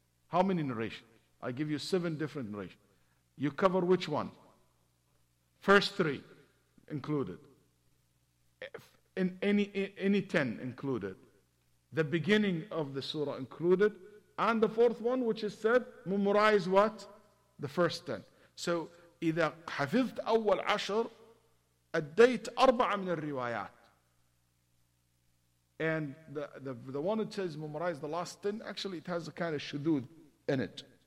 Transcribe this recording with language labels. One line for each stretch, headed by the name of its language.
English: How many narrations? I give you 7 different narrations. You cover which one? First 3 included. In any 10 included. The beginning of the surah included. And the fourth one, which is said, memorize what? The first 10.
Arabic: So, إذا حفظت أول عشر, أديت أربعة من الروايات.
English: And the one that says memorize the last 10, actually it has a kind of shudud in it.